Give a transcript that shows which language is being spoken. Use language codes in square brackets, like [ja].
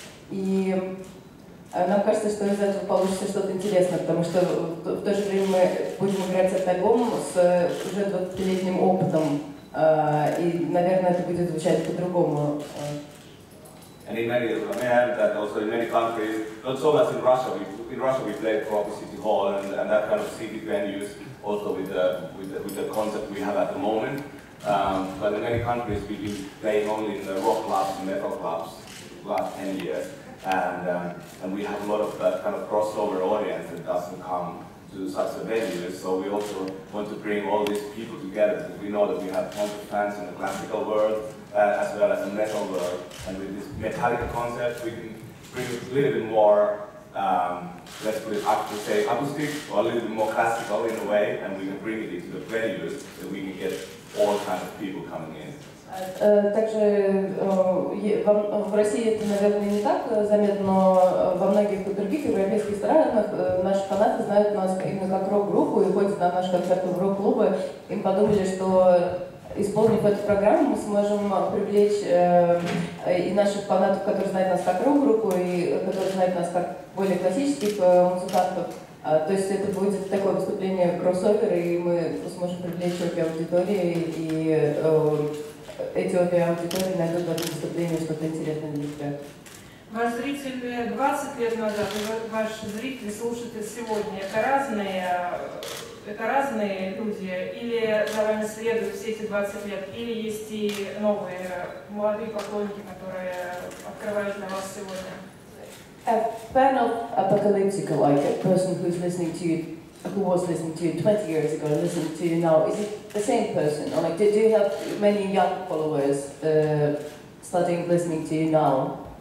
[ru] И нам кажется, что из этого получится что-то интересное, потому что в то же время мы будем играть с этот альбом с уже 20-летним опытом, и, наверное, это будет звучать по-другому. [en] And in many, I may add that also in many countries, not so much in Russia. In Russia we played Prague City Hall and that kind of city venues, also with the concept we have at the moment. But in many countries we've been playing only in the rock clubs and metal clubs the last 10 years. And we have a lot of that kind of crossover audience that doesn't come to such a venue. So we also want to bring all these people together, because we know that we have tons of fans in the classical world, as well as the metal world, and with this Metallica concept, we can bring a little bit more, let's put it up to say, acoustic, or a little bit more classical in a way, and we can bring it into the venues, so we can get all kinds of people coming in. [ru] Также в России это, наверное, не так заметно, но во многих других европейских странах наши фанаты знают нас именно как рок-группу и ходят на наши концерты в рок-клубы. Им подумали, что исполнив эту программу, мы сможем привлечь и наших фанатов, которые знают нас как рок-группу, и которые знают нас как более классических музыкантов. То есть это будет такое выступление кроссовер, и мы сможем привлечь обе аудитории, и эти обе аудитории найдут в этом выступлении что-то интересное для себя. Ваш зритель 20 лет назад и ваш зритель, слушатель сегодня — это разные люди, или за вами следуют все эти 20 лет, или есть и новые, молодые поклонники, которые открывают для вас сегодня? [en] A fan of Apocalyptica, like a person who's listening to you, who was listening to you 20 years ago and listening to you now, is it the same person? Or like, do you have many young followers starting listening to you now?